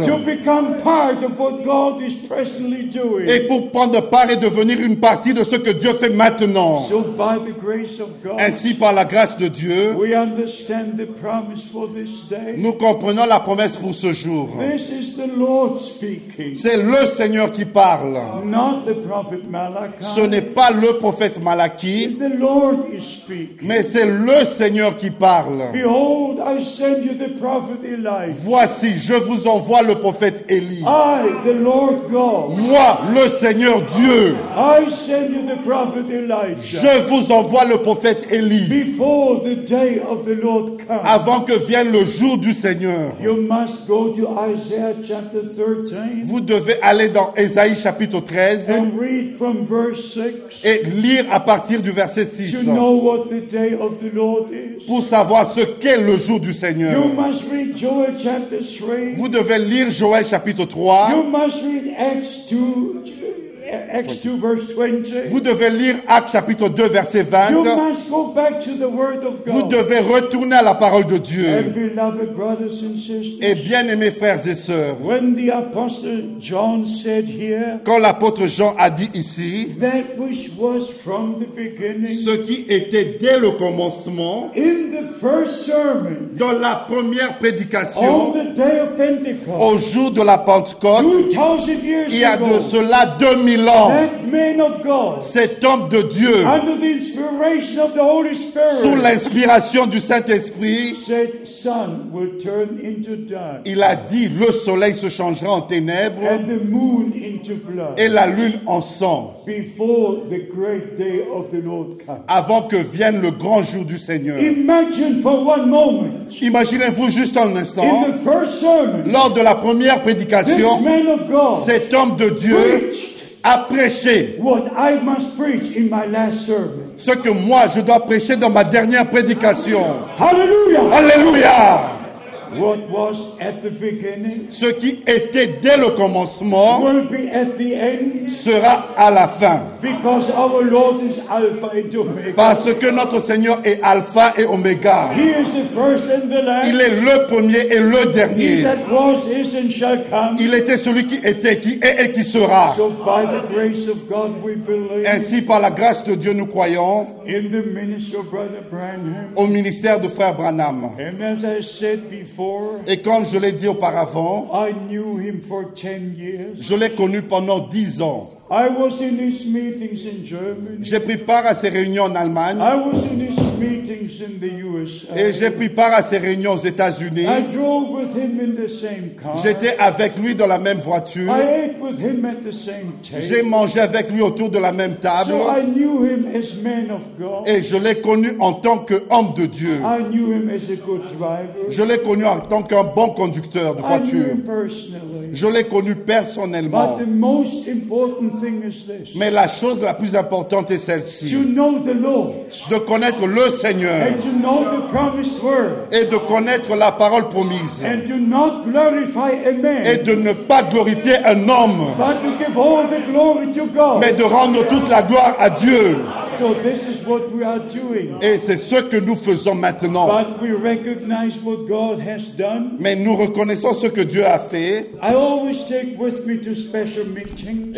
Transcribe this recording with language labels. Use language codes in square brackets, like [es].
[en] To become part of what God is presently doing. [fr] Et pour prendre part et devenir une partie de ce que Dieu fait maintenant. [en] So by the grace of God, [fr] ainsi par la grâce de Dieu, [en] we understand the promise for this day. [fr] Nous comprenons la promesse pour ce jour. [en] This is the Lord speaking. [fr] C'est le Seigneur qui parle. [en] Not the prophet Malachi. [fr] Ce n'est pas le prophète Malachi. [en] It's the Lord is speaking. [fr] Mais c'est le Seigneur qui parle. [en] Behold, I send you the prophet Elijah. [fr] Voici, je vous envoie le prophète Élie. [en] I, the Lord God. [fr] Moi, le Seigneur Dieu. [en] I send you the prophet Elijah. [fr] Je vous envoie le prophète Élie. [en] Before the day of the Lord comes. [fr] Avant que vienne le jour du Seigneur. [en] You must go to Isaiah chapter 13. [fr] Vous devez aller dans Ésaïe chapitre 13. [en] And read from verse 6. [fr] Et lire à partir du verset 6. [en] To know what the day of the Lord is. [fr] Pour savoir ce qu'est le jour du Seigneur. [en] You must read Joel chapter 3. [fr] Vous devez lire Joël chapitre 3. [en] You must read Acts 2 verse 20. [fr] Vous devez lire Actes chapitre 2 verset 20. [en] You must go back to the word of God. [fr] Vous devez retourner à la parole de Dieu. [en] And beloved brothers and sisters, [fr] et bien-aimés frères et sœurs, [en] when the apostle John said here, [fr] quand l'apôtre Jean a dit ici, [en] that which was from the beginning, [fr] ce qui était dès le commencement, [en] in the first sermon, [fr] dans la première prédication, [en] on the day of Pentecost, [fr] au jour de la Pentecôte, [en] 2000 years [fr] il y a de [en] ago, [fr] cela 2000 [en] that man of God, [fr] cet homme de Dieu, [en] under the inspiration of the Holy Spirit, [fr] sous l'inspiration du Saint-Esprit, [en] said, sun will turn into dark. [fr] Il a dit, le soleil se changera en ténèbres, [en] and the moon into blood, [fr] et la lune en sang, [en] before the great day of the Lord comes, [fr] avant que vienne le grand jour du Seigneur. [en] Imagine for one moment, [fr] imaginez-vous juste un instant, [en] in the first sermon, [fr] lors de la première prédication, [en] this man of God, [fr] cet homme de Dieu, à prêcher [en] what I must preach in my last sermon. [fr] Ce que moi je dois prêcher dans ma dernière prédication. [en] Hallelujah. [fr] Hallelujah. [en] What was at the beginning, [fr] ce qui était dès le commencement, [en] will be at the end, [fr] sera à la fin. [en] Because our Lord is Alpha and Omega. [fr] Parce que notre Seigneur est Alpha et Omega. [en] He is the first and the last. [fr] Il est le premier et le dernier. [en] He that was, is and shall come. [fr] Il était celui qui était, qui est et qui sera. [en] So by the grace of God we believe. [fr] Ainsi, par la grâce de Dieu, nous croyons [en] in the ministry of Brother Branham, [fr] au ministère de Frère Branham. [en] And as I said before, [fr] et comme je l'ai dit auparavant, [en] I knew him for 10 years. [fr] Je l'ai connu pendant 10 ans. [en] I was in his meetings in Germany. [fr] J'ai pris part à ses réunions en Allemagne. [en] I was in his meetings in the USA. [fr] Et j'ai pris part à ses réunions aux États-Unis. [en] I drove with him in the same car. [fr] J'étais avec lui dans la même voiture. [en] I ate with him at the same table. [fr] J'ai mangé avec lui autour de la même table. [en] So I knew him as man of God. [fr] Et je l'ai connu en tant qu'homme de Dieu. [en] I knew him as a good driver. [fr] Je l'ai connu en tant qu'un bon conducteur de voiture. [en] I knew him personally. [fr] Je l'ai connu personnellement. [en] But the most important thing, [fr] mais la chose la plus importante est celle-ci. [en] To know the Lord, [fr] de connaître le Seigneur. [en] And to know the promised word, [fr] et de connaître la parole promise. [en] And to not glorify a man, [fr] et de ne pas glorifier un homme. [en] But to give all the glory to God, [fr] mais de rendre toute la gloire à Dieu. [en] So this is what we are doing. [fr] Et c'est ce que nous faisons maintenant. [en] But we recognize what God has done. [fr] Mais nous reconnaissons ce que Dieu a fait. [en] I always take with me to special meetings.